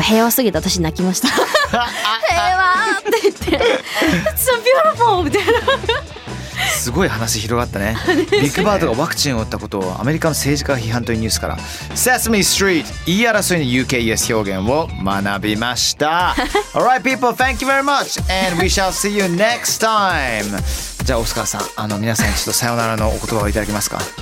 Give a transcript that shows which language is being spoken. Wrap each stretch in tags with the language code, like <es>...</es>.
<ja>平和すぎて私泣きました。平和って言って、</ja> <en>It's so beautiful</en> <ja>みたいな。すごい話広がったね。ビッグバードがワクチンを打ったことをアメリカの政治家が批判というニュースから、Sesame Street 言い争いの UKES 表現を学びました。</ja> <en>Alright people, thank you very much, and we shall see you next time.</en> <ja>じゃあオスカーさん、皆さんちょっとさよならのお言葉をいただけますか。</ja>